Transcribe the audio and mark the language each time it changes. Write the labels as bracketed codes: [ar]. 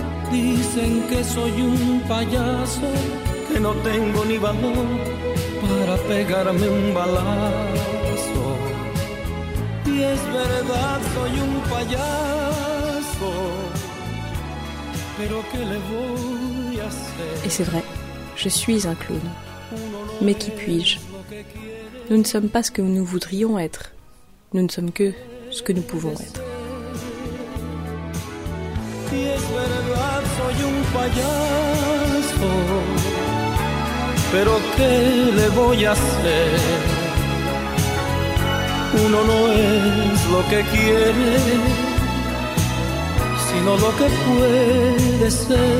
[es] Dicen que soy un payaso, que no tengo ni valor para pegarme un balazo. Y es verdad, soy un payaso, pero ¿qué le voy a hacer? [fr] Et c'est vrai, je suis un clown. Mais qui puis-je? Nous ne sommes pas ce que nous voudrions être. Nous ne sommes que ce que nous pouvons être. [es] Y es verdad, soy un payaso, pero ¿qué le voy a hacer? Uno no es lo que quiere, sino lo que puede ser.